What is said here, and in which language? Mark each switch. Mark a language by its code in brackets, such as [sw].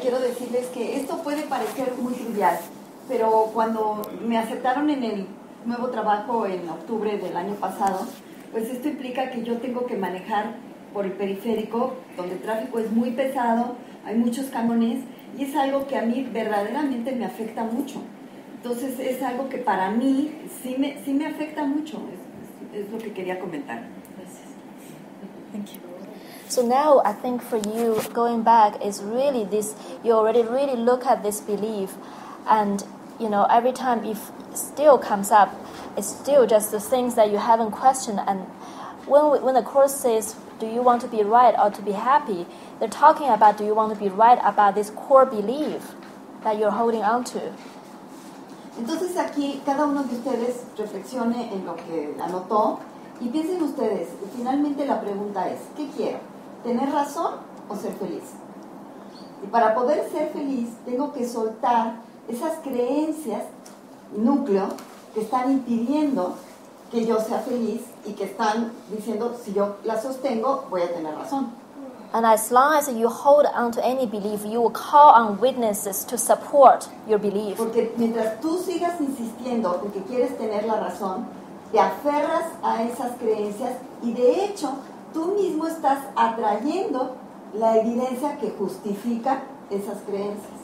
[es] Quiero decirles que esto puede parecer muy trivial, pero cuando me aceptaron en el nuevo trabajo en octubre del año pasado, pues esto implica que yo tengo que manejar por el periférico, donde el tráfico es muy pesado, hay muchos camiones, y es algo que a mí verdaderamente me afecta mucho. Entonces, es algo que para mí sí me afecta mucho. Es lo que quería comentar. [en] Thank you. So now I think for you, going back is really this, you already really look at this belief, and you know, every time it still comes up, it's still just the things that you haven't questioned. And when the Course says, do you want to be right or to be happy, they're talking about, do you want to be right about this core belief that you're holding on to. [es] Entonces aquí cada uno de ustedes reflexione en lo que anotó. Y piensen ustedes, finalmente la pregunta es, ¿qué quiero? ¿Tener razón o ser feliz? Y para poder ser feliz, tengo que soltar esas creencias, núcleo, que están impidiendo que yo sea feliz y que están diciendo, si yo la sostengo, voy a tener razón. [en] And as long as you hold on to any belief, you will call on witnesses to support your belief. [es] Porque mientras tú sigas insistiendo en que quieres tener la razón, te aferras a esas creencias y de hecho tú mismo estás atrayendo la evidencia que justifica esas creencias.